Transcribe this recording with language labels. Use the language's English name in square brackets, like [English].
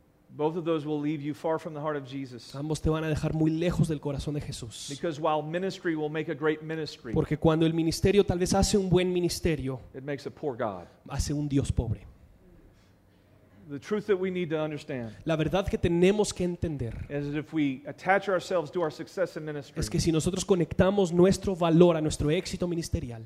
[English] Both of those will leave you far from the heart of Jesus. [Spanish] Ambos te van a dejar muy lejos del corazón de Jesús. [English] Because while ministry will make a great ministry, [Spanish] porque cuando el ministerio tal vez hace un buen ministerio, [English] it makes a poor God. [Spanish] Hace un Dios pobre. [English] The truth that we need to understand, [Spanish] la verdad que tenemos que entender, [English] is that if we attach ourselves to our success in ministry, [Spanish] es que si nosotros conectamos nuestro valor a nuestro éxito ministerial,